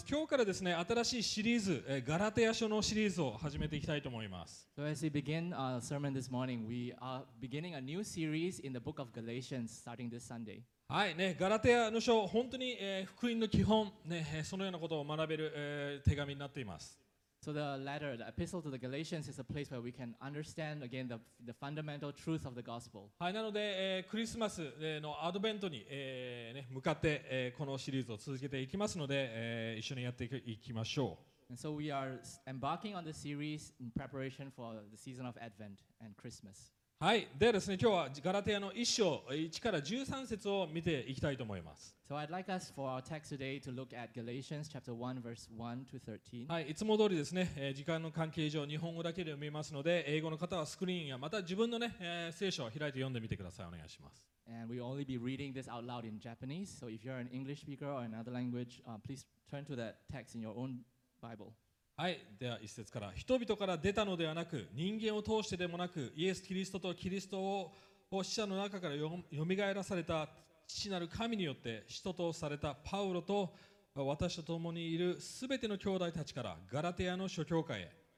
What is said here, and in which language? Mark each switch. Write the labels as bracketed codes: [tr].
[ja] 今日からですね、新しいシリーズ、ガラテヤ書のシリーズを始めていきたいと思います。 [en] So as we begin our sermon this morning, we are beginning a new series in the book of Galatians starting this Sunday. [ja] はい、ね、ガラテヤの書、本当に、福音の基本、ね、そのようなことを学べる、手紙になっています。 [en] So the letter, the epistle to the Galatians is a place where we can understand again the fundamental truth of the gospel. [ja] はい、なので、クリスマスのアドベントに、ね、向かって、このシリーズを続けていきますので、一緒にやっていきましょう。 [en] And so we are embarking on the series in preparation for the season of Advent and Christmas. [ja] はい、ではですね、今日はガラテヤの1章、1から13節を見ていきたいと思います。 [en] So I'd like us for our text today to look at Galatians chapter 1 verse 1 to 13. [ja] はい、いつも通りですね、時間の関係上日本語だけで読みますので、英語の方はスクリーンやまた自分のね、聖書を開いて読んでみてください。お願いします。 [en] And we'll only be reading this out loud in Japanese. So if you're an English speaker or another language, please turn to that text in your own Bible. [ja] はい、では一節から人々から出たのではなく人間を通してでもなくイエス・キリストとキリスト を死者の中からよみがえらされた父なる神によって使徒とされたパウロと私と共にいるすべての兄弟たちからガラテヤの諸教会へ